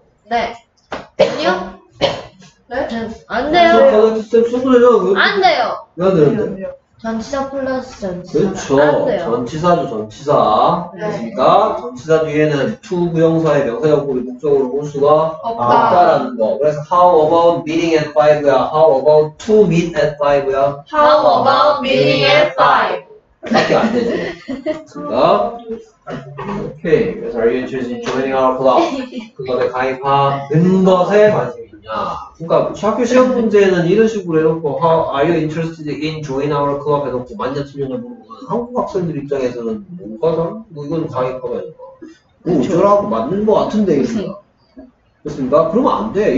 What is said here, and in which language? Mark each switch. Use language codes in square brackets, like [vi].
[ko] 네. 아니요? 네? 안 돼요. [en] To collect stamps [ko] 써도 되잖아. 안 돼요. 왜 안 되는데? 전치사 플러스 전치사. 그렇죠. 전치사죠, 전치사. 그러니까 네. 전치사 뒤에는 to 구형사의 명사형법이 목적으로 볼 수가 없다. 없다라는 거. [en] 그래서 how about meeting at 5야? How about to meet at 5야? How about meeting at 5? [ko] 밖에 안 되지. 됐습니다. 오케이. [en] 그래서 are you interested in joining our club? [ko] 그것에 가입하는 것에 관심이 있냐. 그러니까 학교 시험 문제는 이런 식으로 해놓고 [en] how are you interested in joining our club? [ko] 해놓고 맞냐 틀렸냐 물어보면 한국 학생들 입장에서는 뭔가 다른? 뭐 이건 가입하면 되는 거. 저라고 맞는 것 같은데 이거. 그렇습니까? 그러면 안 돼.